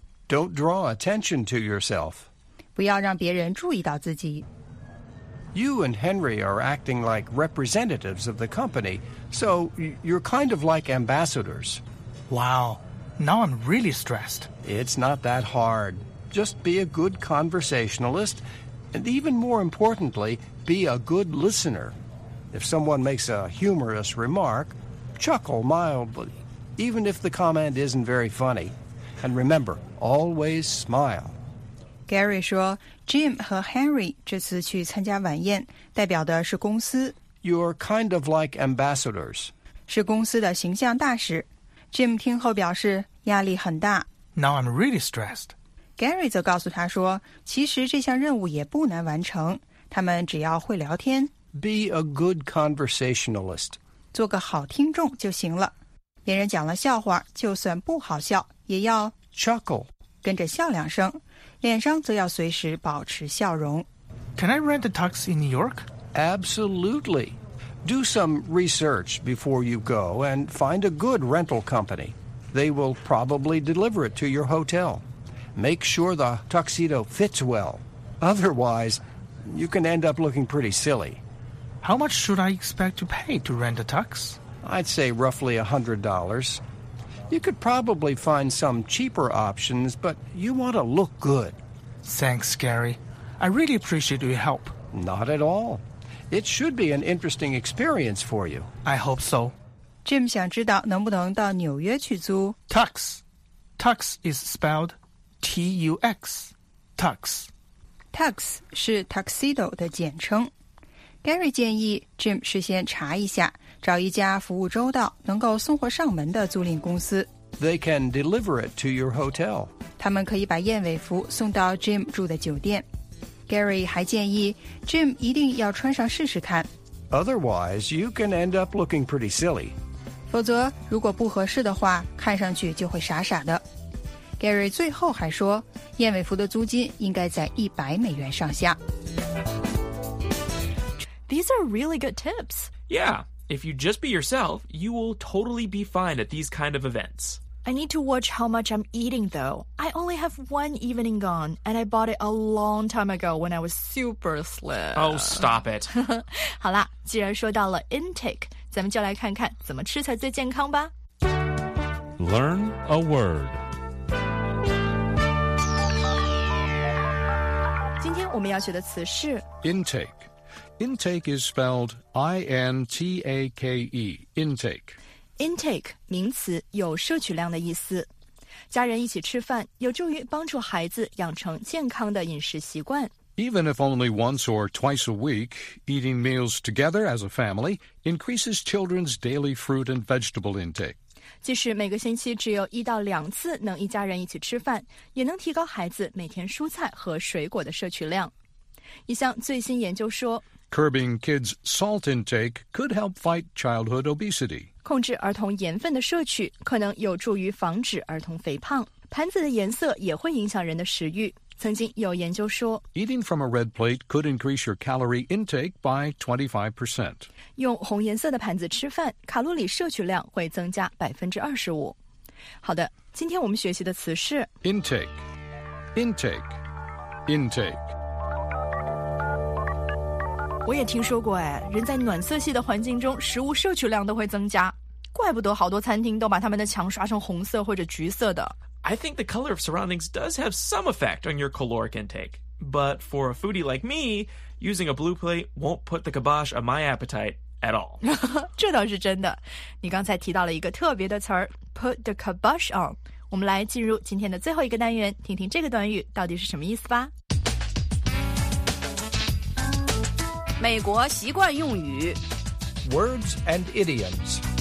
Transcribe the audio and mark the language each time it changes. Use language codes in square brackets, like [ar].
[en] Don't draw attention to yourself. [zh] 不要让别人注意到自己。 [en] You and Henry are acting like representatives of the company, so you're kind of like ambassadors. Wow, now I'm really stressed. It's not that hard. Just be a good conversationalist, and even more importantly, be a good listener. If someone makes a humorous remark, chuckle mildly, even if the comment isn't very funny. And remember, always smile. [zh] Gary 说 ,Jim 和 Henry 这次去参加晚宴代表的是公司。 [en] You're kind of like ambassadors. [zh] 是公司的形象大使。 Jim 听后表示压力很大。 [en] Now I'm really stressed. [zh] Gary 则告诉他说其实这项任务也不难完成他们只要会聊天。 [en] Be a good conversationalist. [zh] 做个好听众就行了。别人讲了笑话就算不好笑也要 [en] chuckle, [zh] 跟着笑两声。脸上则要随时保持笑容。 [en] Can I rent a tux in New York? Absolutely. Do some research before you go and find a good rental company. They will probably deliver it to your hotel. Make sure the tuxedo fits well. Otherwise, you can end up looking pretty silly. How much should I expect to pay to rent a tux? I'd say roughly $100. You could probably find some cheaper options, but you want to look good. Thanks, Gary. I really appreciate your help. Not at all. It should be an interesting experience for you. I hope so. [zh] Jim 想知道能不能到纽约去租 [en] Tux. Tux is spelled T-U-X. Tux. [zh] Tux 是 tuxedo 的简称。 Gary 建议 Jim 事先查一下找一家服务周到能够送货上门的租赁公司 [en] They can deliver it to your hotel [zh] 他们可以把燕尾服送到 Jim 住的酒店 Gary 还建议 Jim 一定要穿上试试看 [en] Otherwise you can end up looking pretty silly [zh] 否则如果不合适的话看上去就会傻傻的 Gary 最后还说燕尾服的租金应该在$100上下 [en] These are really good tips Yeah If you just be yourself, you will totally be fine at these kind of events. I need to watch how much I'm eating, though. I only have one evening gone, and I bought it a long time ago when I was super slim. Oh, stop it. [zh] 好啦，既然说到了 intake, 咱们就来看看怎么吃才最健康吧。 [en] Learn a word. [zh] 今天我们要学的词是 [en] intake. Intake is spelled I-N-T-A-K-E, intake. [zh] Intake, 名词有摄取量的意思。家人一起吃饭有助于帮助孩子养成健康的饮食习惯。 [en] Even if only once or twice a week, eating meals together as a family increases children's daily fruit and vegetable intake. [zh] 即使每个星期只有一到两次能一家人一起吃饭也能提高孩子每天蔬菜和水果的摄取量。一项最新研究说 [en] Curbing kids' salt intake could help fight childhood obesity. [zh] 控制儿童盐分的摄取可能有助于防止儿童肥胖。盘子的颜色也会影响人的食欲。曾经有研究说 [en] Eating from a red plate could increase your calorie intake by 25%. [zh] 用红颜色的盘子吃饭卡路里摄取量会增加25%。好的今天我们学习的词是 [en] Intake, intake, intake. [zh] 我也听说过哎，人在暖色系的环境中，食物摄取量都会增加，怪不得好多餐厅都把他们的墙刷成红色或者橘色的。 [en] I think the color of surroundings does have some effect on your caloric intake, but for a foodie like me, using a blue plate won't put the kibosh on my appetite at all. [zh] 这倒是真的。你刚才提到了一个特别的词儿 ， [en] put the kibosh on。 [zh] 我们来进入今天的最后一个单元，听听这个短语到底是什么意思吧。美国习惯用语 [en] Words and idioms